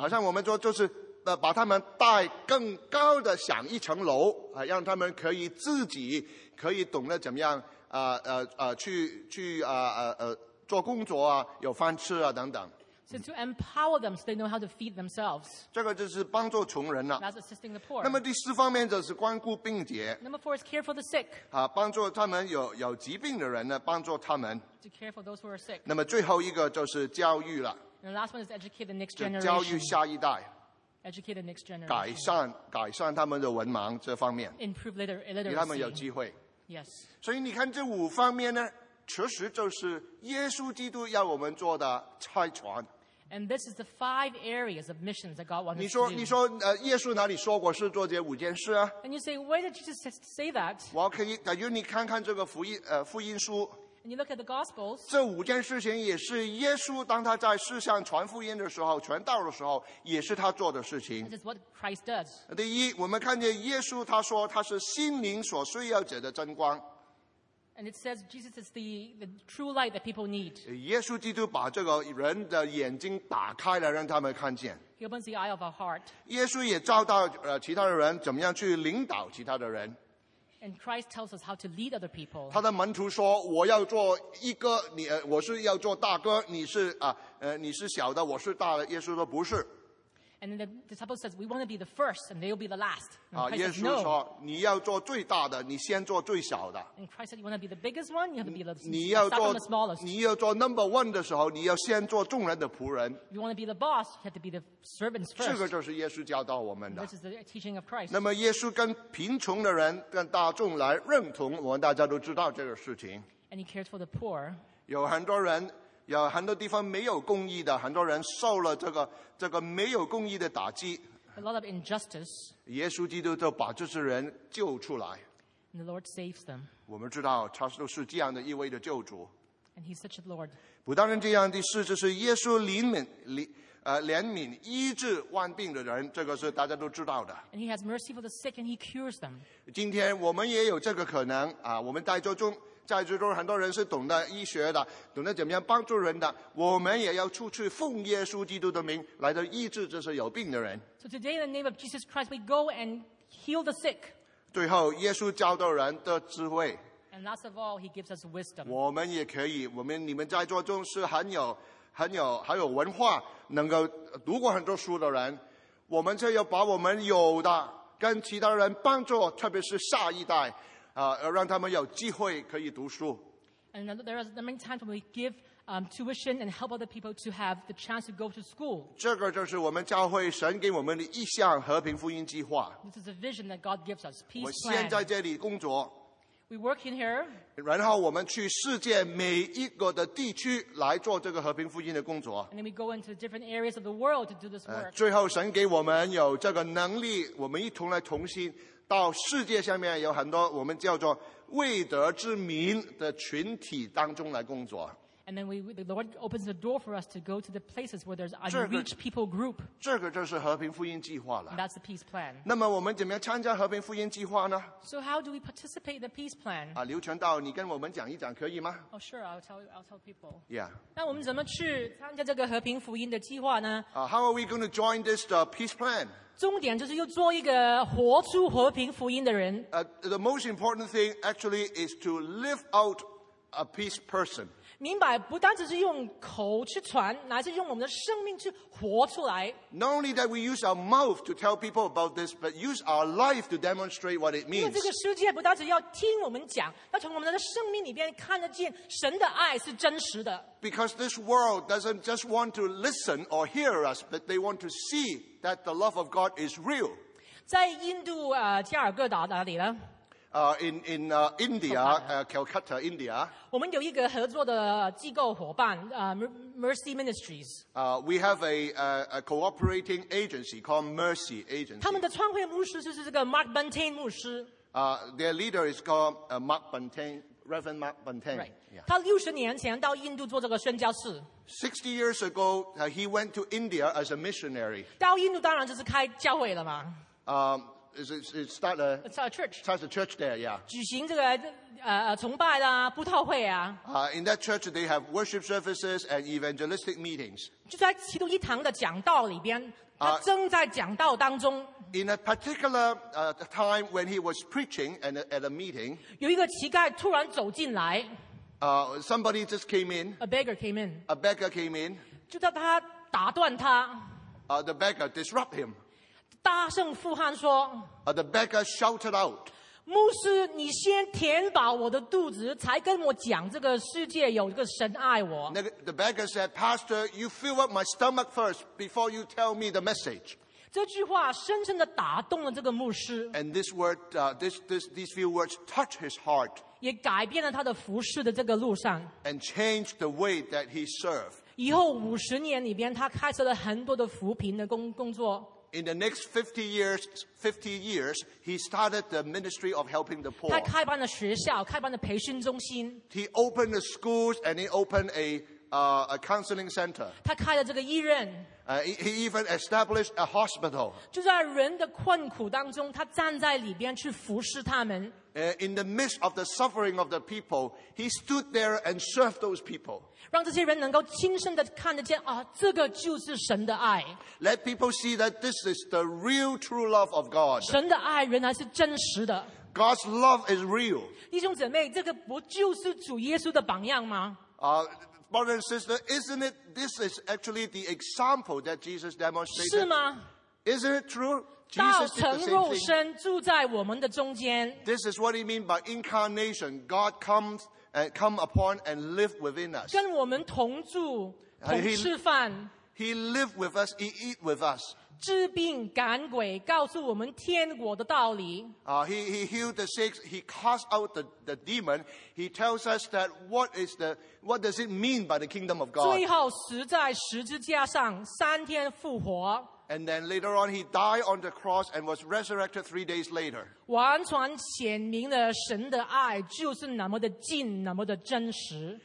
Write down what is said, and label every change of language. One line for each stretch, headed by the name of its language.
Chinese: 好像我们说就是把他们带更高的想一层楼啊，让他们可以自己可以懂得怎么样去做工作啊，有饭吃啊等等。
English: So to empower them so they know how to feed themselves.
Chinese: 这个就是帮助穷人了。
English: That's assisting the poor.
Chinese: 那么第四方面就是关顾病者。
English: Number four is care for the sick.
Chinese: 帮助他们有疾病的人呢，帮助他们。
English: To care for those who are sick.
Chinese: 那么最后一个就是教育了。
English: And the last one is educate the next generation.
Chinese: 教育下一代。
English: Educate the next generation.
Chinese: 改善他们的文盲这方面。
English: Improve literacy.
Chinese: 给他们有机会。
English: Yes.
Chinese: 所以你看这五方面呢，确实就是耶稣基督要我们做的差传。
English: And this is the five areas of missions that God wants us to do.
Chinese: 你说，耶稣哪里说过是做这五件事啊？
English: And you say, where did Jesus say that?
Chinese: 我可以，等于你看看这个福音书。
English: And you look at the Gospels.
Chinese: 这五件事情也是耶稣当他在世上传福音的时候，传道的时候，也是他做的事情。
English: This is what Christ does.
Chinese: 第一，我们看见耶稣他说他是心灵所需要者的真光。
English: And it says Jesus is the true light that people need.
Chinese: 耶稣基督把这个人的眼睛打开了，让他们看见。
English: He opens the eye of our heart.
Chinese: 耶稣也教导其他的人怎么样去领导其他的人。
English: And Christ tells us how to lead other people.
Chinese: 他的门徒说：“我要做一哥，我是要做大哥，你是小的，我是大的。”耶稣说：“不是。”
English: And the disciple says, "We want to be the first, and they will be the last."
Chinese: 耶稣说：“你要做最大的，你先做最小的。”
English: And Christ said, "You want to be the biggest one, you have to be the smallest."
Chinese: 你要做
English: the smallest.
Chinese: 你要做 number one 的时候，你要先做众人的仆人。
English: You want to be the boss, you have to be the servants first.
Chinese: 这个就是耶稣教导我们的。
English: This is the teaching of Christ.
Chinese: 那么耶稣跟贫穷的人、跟大众来认同，我们大家都知道这个事情。
English: And he cares for the poor.
Chinese: 有很多人。有很多地方没有公义的，很多人受了这个没有公义的打击。
English: A lot of injustice.
Chinese: 耶稣基督就把这些人救出来。
English: And the Lord saves them.
Chinese: 我们知道他都是这样的一位的救主。
English: And he's such a Lord.
Chinese: 不单单这样的事，就是耶稣怜悯医治万病的人，这个是大家都知道的。
English: And he has mercy for the sick and he cures them.
Chinese: 今天我们也有这个可能啊，我们在座中。在最终很多人是懂得医学的，懂得怎么样帮助人的，我们也要出去奉耶稣基督的名来到医治这些有病的人。
English: So today in the name of Jesus Christ we go and heal the sick.
Chinese: 最后耶稣教导人的智慧。
English: And last of all he gives us wisdom.
Chinese: 我们也可以，你们在座中是很有文化，能够读过很多书的人，我们就要把我们有的跟其他人帮助，特别是下一代让他们有机会可以读书。
English: And there are many times when we give tuition and help other people to have the chance to go to school.
Chinese: 这个就是我们教会神给我们的一项和平福音计划。
English: This is a vision that God gives us. Peace plan.
Chinese: 我现在这里工作。
English: We work in here.
Chinese: 然后我们去世界每一个的地区来做这个和平福音的工作。
English: And then we go into different areas of the world to do this work.
Chinese: 最后神给我们有这个能力，我们一同来同心。到世界上面有很多我们叫做未得之民的群体当中来工作。
English: And then the Lord opens the door for us to go to the places where there's unreached people group.
Chinese: 这个就是和平福音计划了。
English: And that's the peace plan.
Chinese: 那么我们怎么样参加和平福音计划呢？
English: So how do we participate in the peace plan?
Chinese: 刘全道，你跟我们讲一讲可以吗？
English: Oh, sure, I'll tell people. Yeah.
Chinese: 那我们怎么去参加这个和平福音的计划呢？
English: How are we going to join this peace plan?
Chinese: 重点就是要做一个活出和平福音的人。
English: The most important thing actually is to live out a peace person.
Chinese: 明白，不单只是用口去传，乃是用我们的生命去活出来。
English: Not only that we use our mouth to tell people about this, but use our life to demonstrate what it means.
Chinese: 因为这个世界不单只要听我们讲，要从我们的生命里边看得见神的爱是真实的。
English: Because this world doesn't just want to listen or hear us, but they want to see that the love of God is real.
Chinese: 在印度加尔各答哪里呢？
English: India, Calcutta, India.
Chinese: 我们有一个合作的机构伙伴Mercy Ministries.
English: We have a cooperating agency called Mercy Agency.
Chinese: 他们的创会牧师就是这个 Mark Bunting 牧师。
English: Their leader is called Mark Bunting, Reverend Mark Bunting. Right. Yeah.
Chinese: 他60年前到印度做这个宣教士。
English: 60 years ago, he went to India as a missionary.
Chinese: 到印度当然就是开教会了嘛。
English: It starts a church there, yeah.
Chinese: 举行这个崇拜啦，布道会啊。
English: In that church, they have worship services and evangelistic meetings.
Chinese: 就在其中一堂的讲道里边，他正在讲道当中。
English: In a particular time when he was preaching at a meeting,
Chinese: 有一个乞丐突然走进来。
English: Somebody just came in. A beggar came in. A beggar came in.
Chinese: 就叫他打断他。
English: The beggar disrupt him.
Chinese: 大声呼喊说
English: ：“The beggar shouted out,
Chinese: 牧师，你先填饱我的肚子，才跟我讲这个世界有一个神爱我。
English: ”The beggar said, "Pastor, you fill up my stomach first before you tell me the message."
Chinese: 这句话深深的打动了这个牧师。
English: And this word, these few words touch his heart.
Chinese: 也改变了他的服事的这个路上。
English: And changed the way that he served.
Chinese: 以后五十年里边，他开设了很多的扶贫的工作。
English: In the next 50 years, he started the ministry of helping the poor.
Chinese: 他开办了学校，开办了培训中心。
English: He opened the schools and he opened a counseling center.
Chinese: 他开了这个医院。
English: He even established a hospital.
Chinese: 就在人的困苦当中，他站在里边去服侍他们。
English: In the midst of the suffering of the people, he stood there and served those people.
Chinese: 让这些人能够亲身的看得见啊，这个就是神的爱。
English: Let people see that this is the real true love of God.
Chinese: 神的爱原来是真实的。
English: God's love is real.
Chinese: 弟兄姐妹，这个不就是主耶稣的榜样吗？
English: Brother and sister, isn't it? This is actually the example that Jesus demonstrated.
Chinese: 是吗？
English: Isn't it true?
Chinese: 道成肉身住在我们的中间。
English: This is what he means by incarnation. God comes and come upon and live within us.
Chinese: 跟我们同住，同吃饭。
English: He lived with us. He eat with us.
Chinese: 治病赶鬼，告诉我们天国的道理。
English: He healed the sick. He cast out the demon. He tells us that what does it mean by the kingdom of God?
Chinese: 最后死在十字架上，三天复活。
English: And then later on, he died on the cross and was resurrected 3 days later.
Chinese: 完全显明了神的爱就是那么的近，那么的真实。